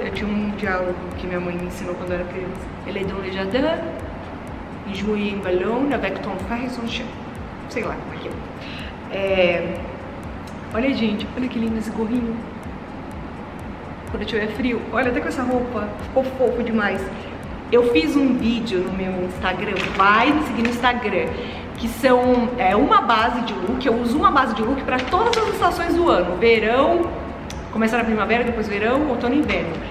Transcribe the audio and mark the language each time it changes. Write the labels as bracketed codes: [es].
[pt] Eu tinha um diálogo que minha mãe me ensinou quando eu era criança. [fr] Elle est dans le jardin. Jouer un ballon avec ton frère et son chien. [pt] Sei lá, aqui. Olha, gente, olha que lindo esse gorrinho. Quando tiver frio, olha até com essa roupa. Ficou fofo demais. Eu fiz um vídeo no meu Instagram. Vai me seguir no Instagram. Que são uma base de look. Eu uso uma base de look para todas as estações do ano: verão, começa na primavera, depois verão, outono e inverno.